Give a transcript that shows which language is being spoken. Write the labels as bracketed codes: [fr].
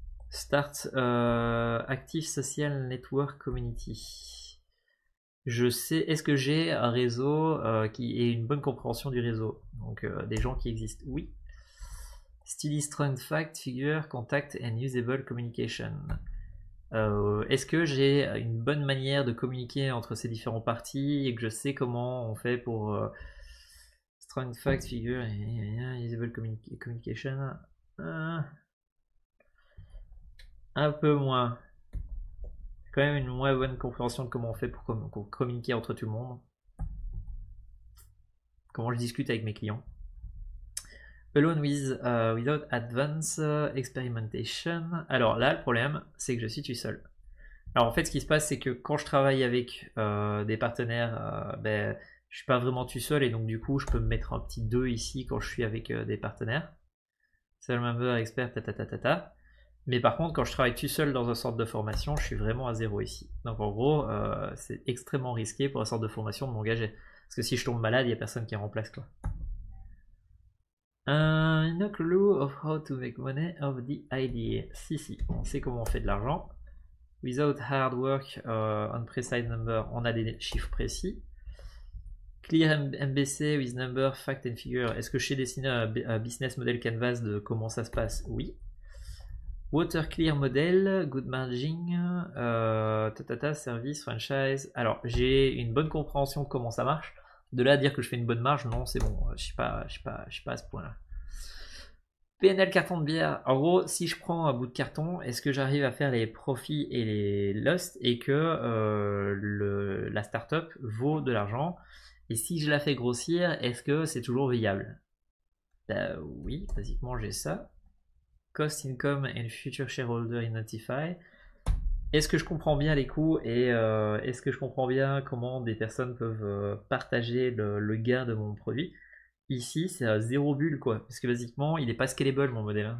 [en] Start Active Social Network Community. [fr] Je sais, est-ce que j'ai un réseau qui est une bonne compréhension du réseau? Donc des gens qui existent. Oui. [en] Study Strong Fact, Figure, Contact and Usable Communication. [fr] Est-ce que j'ai une bonne manière de communiquer entre ces différentes parties et que je sais comment on fait pour [en] Strong Fact, Figure [fr] et [en] Usable Communication [fr] Un peu moins. Quand même une moins bonne compréhension de comment on fait pour communiquer entre tout le monde. Comment je discute avec mes clients. [en] Alone without advanced experimentation. [fr] Alors là, le problème, c'est que je suis tout seul. Alors en fait, ce qui se passe, c'est que quand je travaille avec des partenaires, ben, je suis pas vraiment tout seul et donc du coup, je peux me mettre un petit 2 ici quand je suis avec des partenaires. Seul [en] member expert, [fr] ta ta ta ta ta. Mais par contre, quand je travaille tout seul dans un centre de formation, je suis vraiment à zéro ici. Donc en gros, c'est extrêmement risqué pour un centre de formation de m'engager. Parce que si je tombe malade, il n'y a personne qui remplace quoi. [en] No clue of how to make money of the idea. [fr] Si, si, on sait comment on fait de l'argent. [en] Without hard work on precise number, [fr] on a des chiffres précis. [en] Clear MBC with number, fact and figure. [fr] Est-ce que j'ai dessiné un business model canvas de comment ça se passe? Oui. [en] Water clear model, good margin, tatata, service, franchise. [fr] Alors, j'ai une bonne compréhension de comment ça marche. De là à dire que je fais une bonne marge, non, c'est bon. Je suis pas à ce point-là. PNL carton de bière. En gros, si je prends un bout de carton, est-ce que j'arrive à faire les profits et les losses et que la startup vaut de l'argent? Et si je la fais grossir, est-ce que c'est toujours viable? Ben, oui, basiquement j'ai ça. [en] Cost income and future shareholder in Notify. [fr] Est-ce que je comprends bien les coûts et est-ce que je comprends bien comment des personnes peuvent partager le gain de mon produit? Ici, c'est à zéro bulle, quoi. Parce que, basiquement, il n'est pas scalable, mon modèle.